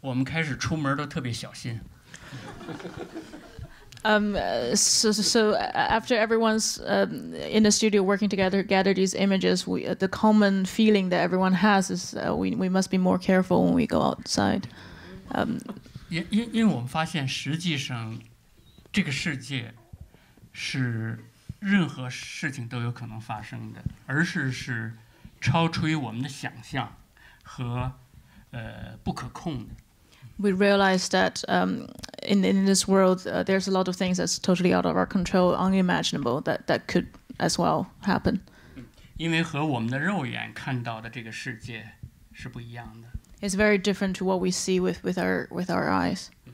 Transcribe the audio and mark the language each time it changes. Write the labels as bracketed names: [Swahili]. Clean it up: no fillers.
[Chinese] 我们有一共同的感觉，就是我们开始出门都特别小心。 [English] So after everyone's in the studio working together, gather these images, the common feeling that everyone has is we must be more careful when we go outside. [Chinese] 因为我们发现，实际上，这个世界是任何事情都有可能发生的，而是超出于我们的想象和不可控的。We [English] realize that in this world, there's a lot of things that's totally out of our control, unimaginable that could as well happen. [Chinese] 因为和我们的肉眼看到的这个世界是不一样的。 [English] It's very different to what we see with our eyes.